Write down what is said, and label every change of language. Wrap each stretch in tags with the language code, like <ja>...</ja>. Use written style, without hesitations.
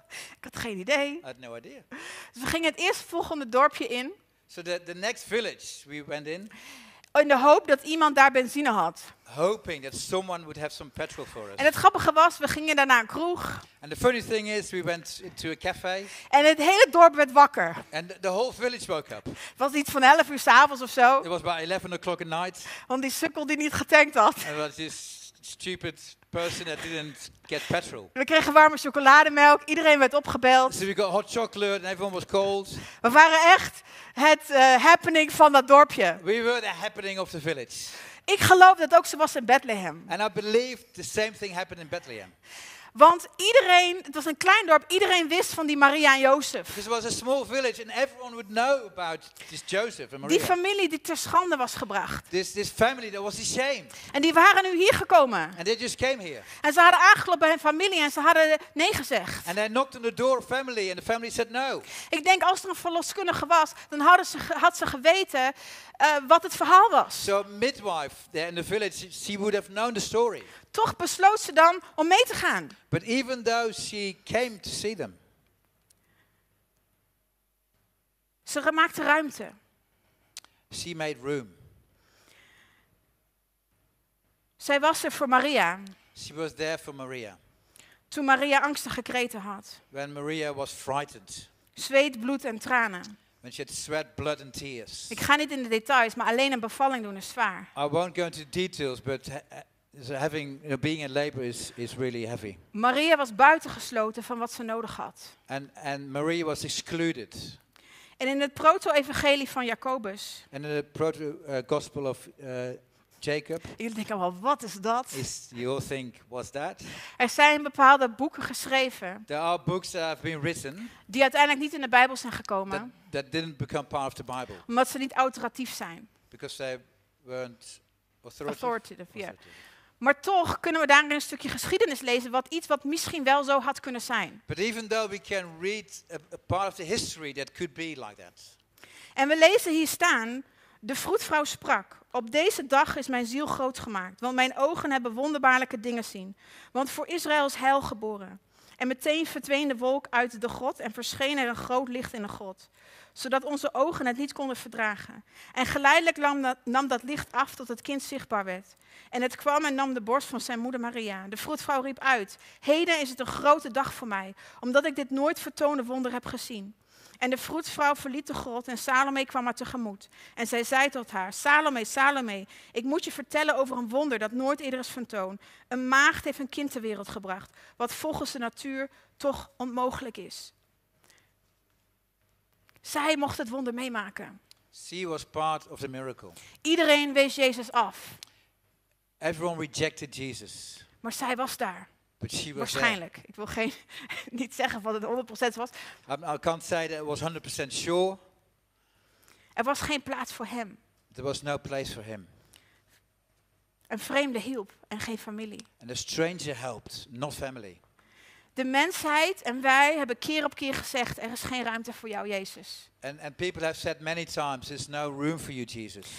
<nl>Ik had geen idee.</nl> <en>I had no idea.</en> <nl>Dus we gingen het eerste volgende dorpje in.</nl> <en>So the next village we went in.</en> <nl>In de hoop dat iemand daar benzine had.</nl> <en>Hoping that someone would have some petrol for us.</en> <nl>En het grappige was, we gingen daarna een kroeg.</nl> <en>And the funny thing is, we went to a cafe.</en> <nl>En het hele dorp werd wakker.</nl> <en>And the whole village woke up.</en> <nl>Het was iets van 11 uur 's avonds of zo.</nl> <en>It was about 11 o'clock at night.</en> <nl>Want die sukkel die niet getankt had.</nl> <en>And it was this stupid person that didn't get petrol.</en> <nl>We kregen warme chocolademelk. Iedereen werd opgebeld.</nl> <en>So we got hot chocolate and everyone was cold.</en> <nl>We waren echt het happening van dat dorpje.</nl> <en>We were the happening of the village.</en> <nl>Ik geloof dat ook zo was in Bethlehem.</nl> <en>And I believe the same thing happened in Bethlehem.</en> <nl>Want iedereen, het was een klein dorp, iedereen wist van die Maria en Jozef.</nl> <en>Because it was a small village and everyone would know about this Joseph and Maria.</en> <nl>Die familie die ter schande was gebracht.</nl> <en>This family that was ashamed.</en> <nl>En die waren nu hier gekomen.</nl> <en>And they just came here.</en> <nl>En ze hadden aangeklopt bij hun familie en ze hadden nee gezegd.</nl> <en>And they knocked on the door of family and the family said no.</en> <nl>Ik denk als er een verloskundige was, dan had ze geweten wat het verhaal was.</nl> <en>So midwife there in the village, she would have known the story.</en> <nl>Toch besloot ze dan om mee te gaan.</nl> <en>But even though she came to see them.</en> <nl>Ze maakte ruimte.</nl> <en>She made room.</en> <nl>Zij was er voor Maria.</nl> <en>She was there for Maria.</en> <nl>Toen Maria angstige kreten had.</nl> <en>When Maria was frightened.</en> <nl>Zweet, bloed en tranen.</nl> <en>When she had sweat, blood and tears.</en> <nl>Ik ga niet in de details, maar alleen een bevalling doen is zwaar.</nl> <en>I won't go into details, but so having, you know, being in labor is really heavy.</en> <nl>Maria was buitengesloten van wat ze nodig had.</nl> <en>And Maria was excluded.</en> <nl>En in het proto-evangelie van Jacobus.</nl> <en>And in the proto-gospel of Jacob.</en> <nl>Jullie denken wel, wat is dat?</nl> <en>You all think, what's that?</en> <nl>Er zijn bepaalde boeken geschreven.</nl> <en>There are books that have been written.</en> <nl>Die uiteindelijk niet in de Bijbel zijn gekomen.</nl> <en>That didn't become part of the Bible.</en> <nl>Omdat ze niet authoritatief zijn.</nl> <en>Because they weren't authoritative. Yeah.</en> <nl>Maar toch kunnen we daarin een stukje geschiedenis lezen wat iets wat misschien wel zo had kunnen zijn.</nl> <en>But even though we can read a part of the history that could be like that.</en> <nl>En we lezen hier staan: de vroedvrouw sprak: op deze dag is mijn ziel groot gemaakt, want mijn ogen hebben wonderbaarlijke dingen zien. Want voor Israël is heil geboren. En meteen verdween de wolk uit de grot en verscheen er een groot licht in de grot, zodat onze ogen het niet konden verdragen. En geleidelijk nam dat licht af tot het kind zichtbaar werd. En het kwam en nam de borst van zijn moeder Maria. De vroedvrouw riep uit: heden is het een grote dag voor mij, omdat ik dit nooit vertoonde wonder heb gezien. En de vroedvrouw verliet de grot en Salome kwam haar tegemoet. En zij zei tot haar: Salome, Salome, ik moet je vertellen over een wonder dat nooit eerder is vertoond. Een maagd heeft een kind ter wereld gebracht, wat volgens de natuur toch onmogelijk is. Zij mocht het wonder meemaken.</nl> <en>She was part of the miracle.</en> <nl>Iedereen wees Jezus af.</nl> <en>Everyone rejected Jesus.</en> <nl>Maar zij was daar.</nl> <en>But she was</en> <nl>waarschijnlijk.</nl> <en>There.</en> <nl>Ik wil geen niet zeggen wat het 100% was.</nl> <en>I can't say that it was 100% sure.</en> <nl>Er was geen plaats voor hem.</nl> <en>There was no place for him.</en> <nl>Een vreemde hielp en geen familie.</nl> <en>And a stranger helped, not family.</en> <nl>De mensheid en wij hebben keer op keer gezegd: er is geen ruimte voor jou, Jezus.</nl> <en>And people have said many times, there's no room for you, Jesus.</en>